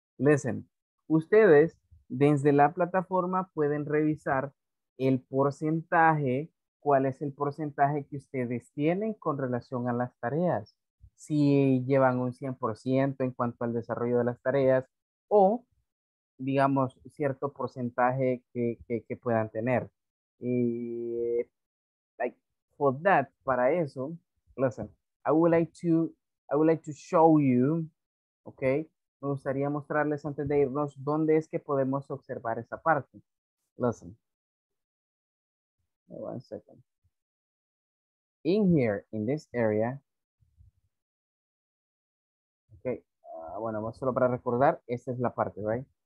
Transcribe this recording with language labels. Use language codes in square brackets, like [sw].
[es] Listen, ustedes desde la plataforma pueden revisar el porcentaje, cuál es el porcentaje que ustedes tienen con relación a las tareas. Si llevan un 100% en cuanto al desarrollo de las tareas o, digamos, cierto porcentaje que puedan tener. [en] Y, like, for that, [es] para eso, [en] listen, I would like to show you, ¿ok? [es] Me gustaría mostrarles antes de irnos dónde es que podemos observar esa parte. [en] Listen. One second. In here, in this area. [es] Okay. Bueno, solo para recordar, esta es la parte, right?